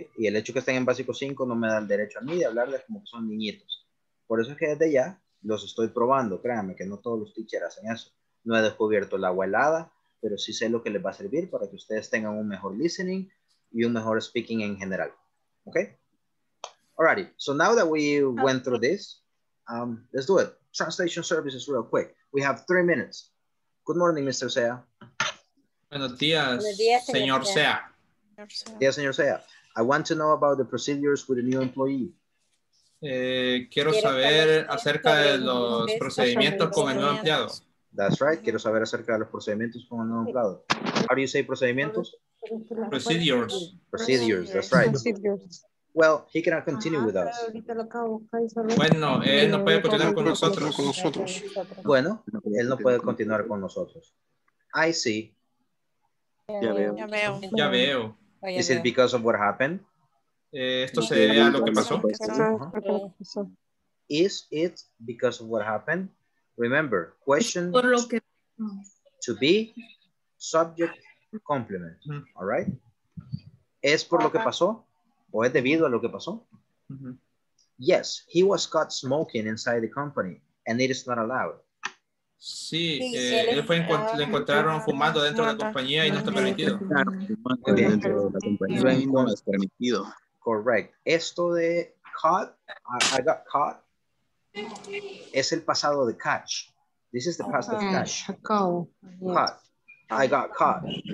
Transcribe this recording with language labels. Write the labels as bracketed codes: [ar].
[es] Y el hecho que estén en básico 5 no me da el derecho a mí de hablarles como que son niñitos. Por eso es que desde ya los estoy probando. Créanme que no todos los teachers hacen eso. No he descubierto el agua helada, pero sí sé lo que les va a servir para que ustedes tengan un mejor listening y un mejor speaking en general. ¿Ok? [en] Alrighty, so now that we went through this, let's do it. Translation services real quick. We have 3 minutes. Good morning, Mr. Sea. [es] Buenos días, señor Sea. Yes, señor Sea. [en] I want to know about the procedures with a new employee. [es] Quiero saber acerca de los procedimientos con el nuevo empleado. [en] That's right. [es] Quiero saber acerca de los procedimientos con el nuevo empleado. [en] How do you say procedimientos? Procedures. Procedures, that's right. Well, he cannot continue with us. [es] Bueno, él no puede continuar con nosotros. Bueno, él no puede continuar con nosotros. [en] I see. [es] Ya veo. [en] Is it because of what happened? [es] Esto se debe a lo que pasó. [en] Is it because of what happened? Remember, question to be subject complement. All right? [es] ¿Es por lo que pasó? ¿O es debido a lo que pasó? [en] Yes, he was caught smoking inside the company and it is not allowed. [es] Sí, le encontraron fumando dentro de la compañía y no está permitido. Correct. Esto de caught, [en] I got caught, [es] es el pasado de catch. [en] This is the past of catch. Caught. I got caught.